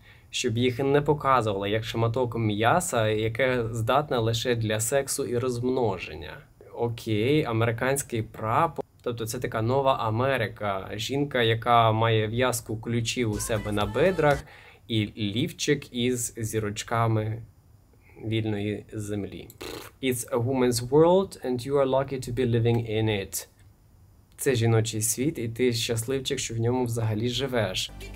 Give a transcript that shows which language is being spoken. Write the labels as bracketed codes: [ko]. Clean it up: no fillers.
[uk] Щоб їх не показували як шматок м'яса, яке здатне лише для сексу і розмноження. Окей, американський прапор. Тобто це така нова Америка. Жінка, яка має в'язку ключів у себе на бедрах і лівчик із зірочками вільної землі. [en] It's a woman's world and you are lucky to be living in it. [uk] Це жіночий світ і ти щасливчик, що в ньому взагалі живеш.